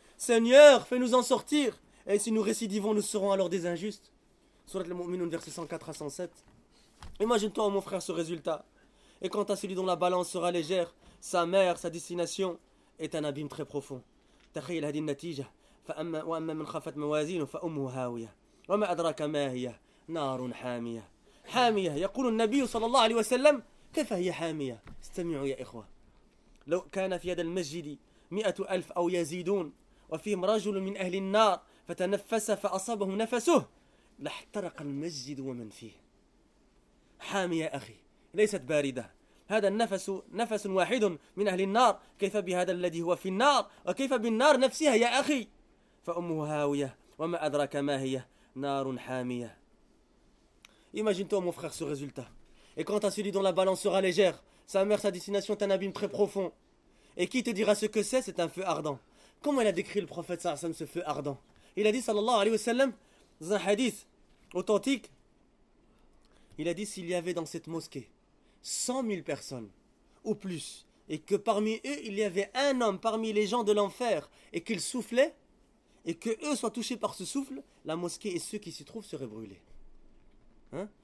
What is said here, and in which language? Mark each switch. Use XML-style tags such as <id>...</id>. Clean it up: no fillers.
<fr>Seigneur, fais-nous en sortir. Et si nous récidivons, nous serons alors des injustes. Surat al-Mu'minun, verset 104 à 107. Imagine-toi, mon frère, ce résultat. Et quant à celui dont la balance sera légère, sa mère, sa destination, est un abîme très profond.</fr> <ar>Takhayyal hadhihi an-natija. وأما من خفت موازينه فأمه هاوية وما أدراك ما هي نار حامية حامية. يقول النبي صلى الله عليه وسلم: كيف هي حامية؟ استمعوا يا إخوة، لو كان في هذا المسجد 100,000 أو يزيدون وفيهم رجل من أهل النار فتنفس فأصابه نفسه لاحترق المسجد ومن فيه. حامية أخي، ليست باردة، هذا النفس نفس واحد من أهل النار، كيف بهذا الذي هو في النار وكيف بالنار نفسها يا أخي؟ فأمه هاوية وما أدرك ما هي نار حامية.</ar> <fr>Imagine-toi, mon frère, ce résultat. Et quant à celui dont la balance sera légère, sa mère, sa destination est un abîme très profond. Et qui te dira ce que c'est un feu ardent. Comment il a décrit le prophète sallallahu alayhi wa sallam ce feu ardent? Il a dit sallallahu alayhi wa sallam, dans un hadith authentique, il a dit: s'il y avait dans cette mosquée 100,000 personnes ou plus, et que parmi eux il y avait un homme parmi les gens de l'enfer, et qu'il soufflait et que eux soient touchés par ce souffle, la mosquée et ceux qui s'y trouvent seraient brûlés. Hein?</fr>